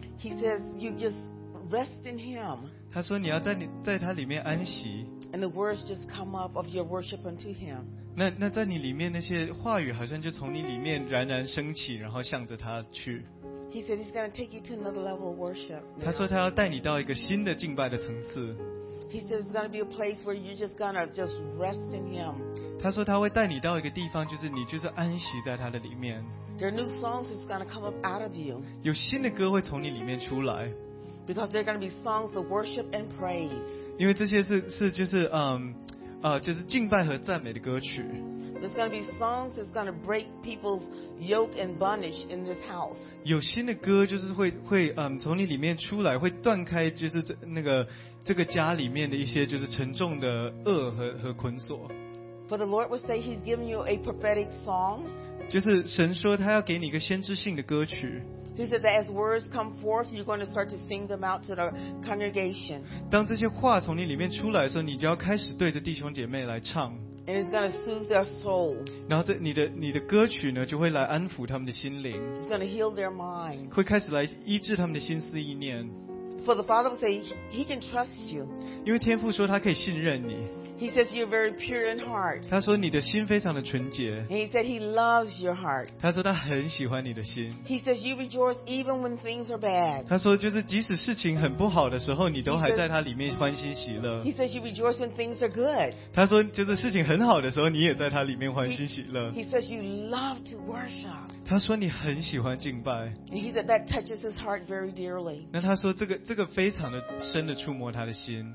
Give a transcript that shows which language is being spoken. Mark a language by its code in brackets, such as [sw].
[en] He says you just rest in Him， [zh] 他说你要在他里面安息。 [en] And the words just come up of your worship unto Him， [zh] 那在你里面那些话语好像就从你里面冉冉升起，然后向着他去。 [en] He said he's going to take you to another level of worship. [zh] 他说他要带你到一个新的敬拜的层次。 [en] He said it's going to be a place where you're just going to just rest in Him. [zh] 他说他会带你到一个地方，就是你就是安息在他的里面。 [en] There are new songs that's going to come up out of you. [zh] 有新的歌会从你里面出来。 [en] Because they're going to be songs of worship and praise. [zh] 因为这些是就是就是敬拜和赞美的歌曲。 [en] There's going to be songs that's going to break people's yoke and bondage in this house. [zh] 有新的歌就是会从你里面出来，会断开就是这个家里面的一些就是沉重的轭和捆锁。 [en] For the Lord would say He's giving you a prophetic song. [zh] 就是神说他要给你一个先知性的歌曲。 [en] He said that as words come forth, you're going to start to sing them out to the congregation. [zh] 当这些话从你里面出来的时候，你就要开始对着弟兄姐妹来唱。 [en] And it's going to soothe their soul. [zh] 然后这你的歌曲呢，就会来安抚他们的心灵。 [en] It's going to heal their mind. [zh] 会开始来医治他们的心思意念。 [en] For the Father will say He can trust you. [zh] 因为天父说他可以信任你。 [en] He says you're very pure in heart. [zh] 他说你的心非常的纯洁。 [en] And he said He loves your heart. [zh] 他说他很喜欢你的心。 [en] He says you rejoice even when things are bad. [zh] 他说就是即使事情很不好的时候，你都还在他里面欢欣喜乐。 [en] He says you rejoice when things are good. [zh] 他说就是事情很好的时候，你也在他里面欢欣喜乐。 [en] He says you love to worship. [zh] 他说你很喜欢敬拜。 [en] And he said that touches his heart very dearly. [zh] 那他说这个非常的深的触摸他的心。